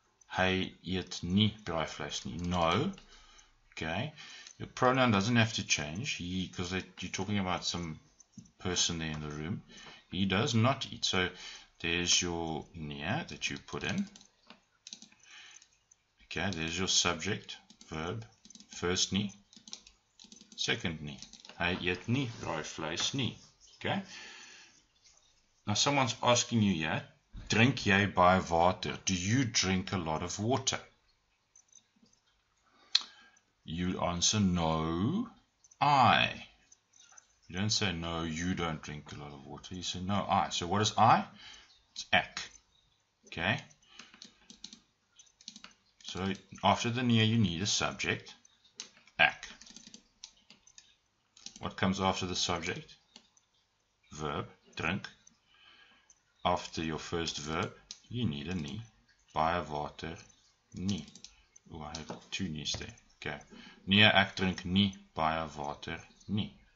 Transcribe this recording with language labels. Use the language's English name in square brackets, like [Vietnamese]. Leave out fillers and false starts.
[Afrikaans] Hey, eet nie braaivleis nie. [English] No. Okay. Your pronoun doesn't have to change. He, because you're talking about some person there in the room. He does not eat. So there's your nie that you put in. Okay. There's your subject, verb. First nie. Second nie. [Afrikaans] Hey, eet nie braaivleis nie. [English] Okay. Now someone's asking you yet. [Afrikaans] Drink jy baie water? [English] Do you drink a lot of water? You answer, no, I. You don't say, no, you don't drink a lot of water. You say, no, I. So what is I? It's ek. Okay? So after the nie, you need a subject. Ek. What comes after the subject? Verb, drink. After your first verb, you need a nie. [Afrikaans] Baie water nie. [English] Oh, I have two nies there. Okay. [Afrikaans] Nee, ek drink nie baie water nie.